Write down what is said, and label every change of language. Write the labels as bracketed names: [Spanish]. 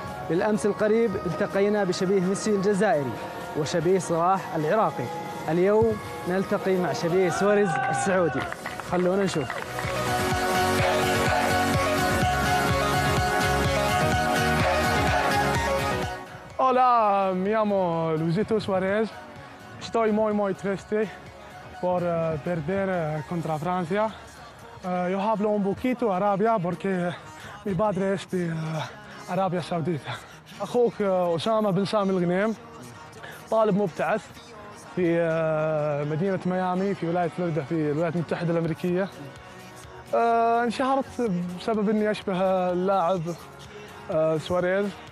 [Arabic] بالأمس القريب التقينا بشبيه ميسي الجزائري وشبيه صلاح العراقي. اليوم نلتقي مع شبيه سواريز السعودي. خلونا نشوف. [Spanish] هلا ميامو لوزيتو سواريز. Estoy muy muy triste por perder contra Francia. Yo hablo un poquito Arabia porque mi padre es de Arabia Saudita. [Arabic] أخوك أسامة بن سامي الغنيم طالب مبتعث في مدينة ميامي في ولاية فلوريدا في الولايات المتحدة الأمريكية. انشهرت بسبب أني أشبه اللاعب سواريز.